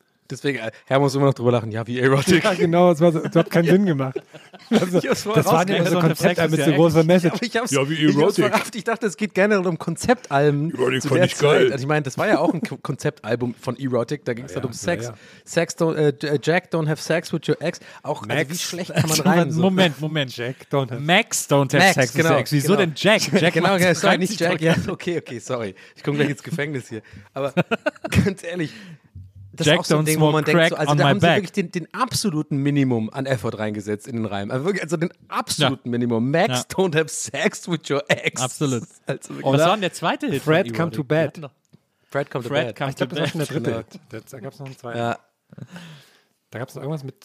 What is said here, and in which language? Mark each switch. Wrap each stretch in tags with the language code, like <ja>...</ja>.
<de>Deswegen, Herr muss immer noch drüber lachen, ja, wie Erotic. Ja, genau, das hat keinen Sinn gemacht. Das waren immer so Konzeptalben mit so großer Message. Ja, wie Erotic. Ich dachte, es geht generell um Konzeptalben. Erotic fand ich geil. Also ich meine, das war ja auch ein Konzeptalbum von Erotic, da ging es halt um Sex.</de> <en>Sex, Jack, don't have sex with your ex.</en> <de>Auch, wie schlecht kann man rein? Moment.</de> <en>Max, don't have sex with your ex.</en> <de>Wieso denn Jack? Genau, sorry, nicht Jack. Okay, sorry. Ich komme gleich ins Gefängnis hier. Aber ganz ehrlich, das</de> <en>Jack</en> <de>ist auch so ein Ding, wo man</de> <en>crack</en> <de>denkt, so, also da haben</de> <en>back</en> <de>sie wirklich den absoluten Minimum an Effort reingesetzt in den Reim. Also wirklich, also den absoluten Minimum.</de> <en>Max, don't have sex with your ex.</en> <de>Absolut. Also was war denn der zweite Hit?</de> <en>Fred, come to bed. Fred, come to bed.</en> <de>Ich glaube, das war schon der dritte. Da gab es noch einen zweiten. Ja. Da gab es noch irgendwas mit</de>